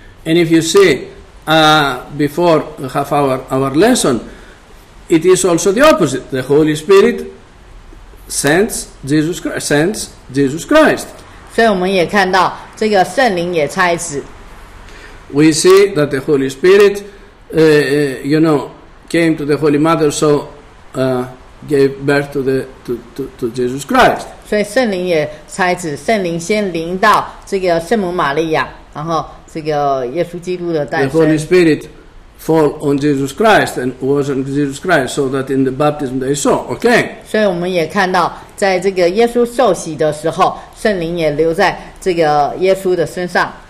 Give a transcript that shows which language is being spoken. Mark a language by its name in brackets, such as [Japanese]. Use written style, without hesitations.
[English] And if you see before half our lesson, it is also the opposite. The Holy Spirit sends Jesus Christ. [Chinese] 所以我们也看到这个圣灵也差子。 [English] We see that the Holy Spirit, you know, came to the Holy Mother, so gave birth to the to Jesus Christ. [Chinese] 所以圣灵也差子，圣灵先临到这个圣母玛利亚，然后这个耶稣基督的诞生。 [English] The Holy Spirit fall on Jesus Christ and was on Jesus Christ, so that in the baptism they saw. Okay. [Chinese] 所以我们也看到，在这个耶稣受洗的时候，圣灵也留在这个耶稣的身上。